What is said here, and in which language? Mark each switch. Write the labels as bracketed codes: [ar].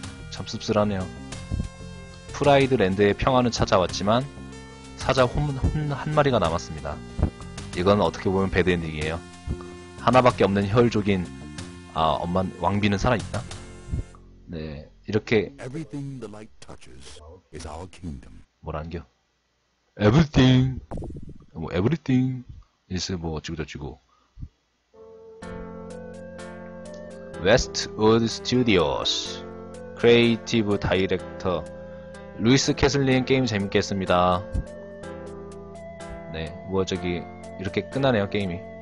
[ko] 참 씁쓸하네요. 프라이드 랜드의 평화는 찾아왔지만 사자 한 마리가 남았습니다. 이건 어떻게 보면 배드엔딩이에요. 하나밖에 없는 혈족인 아 엄마 왕비는 살아있나? 네 이렇게 [en] Everything the light touches. is our kingdom. [ko] 뭘 안겨? [en] Everything. [ko] 뭐 [en] everything. is [ko] 뭐 어찌고 저찌고. 웨스트우드 스튜디오스 크리에이티브 다이렉터 루이스 캐슬린. 게임 재밌게 했습니다. 네, 뭐 저기 이렇게 끝나네요 게임이.